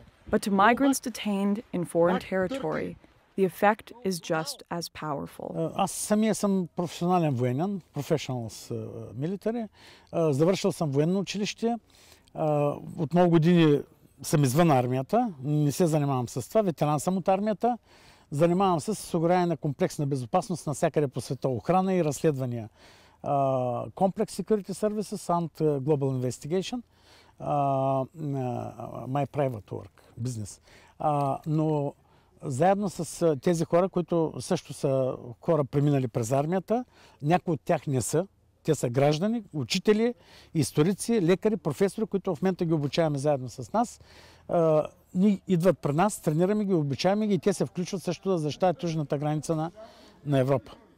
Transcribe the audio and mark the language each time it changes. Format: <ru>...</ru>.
<en>But to migrants detained in foreign territory, the effect is just as powerful.</en> <bg>Занимавам се с осигуряване на комплексна безопасност на всякъде по света, охрана и разследвания.</bg> <en>Complex Security Services and Global Investigation, my private work, business.</en> <bg>Но заедно с тези хора, които също са хора преминали през армията, някои от тях не са. Те са граждани, учители, историци, лекари, професори, които в момента ги обучаваме заедно с нас. Ние идват при нас, тренираме ги, обучаваме ги и те се включват също да защитават южната граница на Европа.</bg>